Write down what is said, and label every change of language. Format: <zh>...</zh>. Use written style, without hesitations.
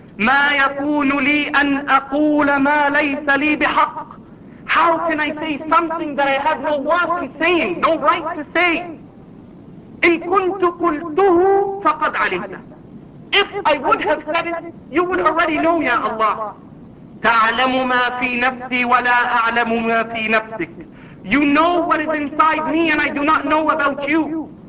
<ar>ما يكون لي أن أقول ما ليس لي بحق.</ar> <en>How can I say something that I have no worth in saying, no right to say?</en> <ar>إن كنت قلته فقد علمت.</ar> <en>If I would have said it, you would already know, ya Allah.</en> <ar>تعلم ما في نفسي ولا أعلم ما في نفسك.</ar> <en>You know what is inside me and I do not know about you.</en>